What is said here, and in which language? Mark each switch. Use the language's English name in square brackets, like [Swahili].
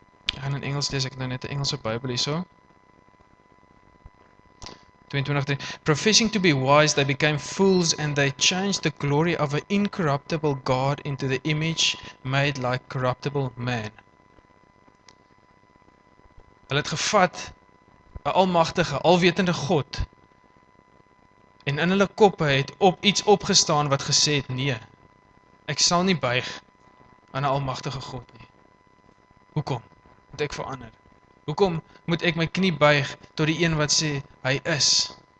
[Afrikaans] Ek gaan in Engels lees, ek het nou net 'n Engelse Bybel hierso. [English] 22:3, professing to be wise, they became fools and they changed the glory of an incorruptible God into the image made like corruptible man. [Afrikaans] Hulle het gevat 'n almagtige, alwetende God en in hulle koppe het op iets opgestaan wat gesê het, nee, ek sal nie buig aan 'n almagtige God nie. Hoekom moet ek verander? Hoekom moet ek my knie buig tot die een wat sê hy is?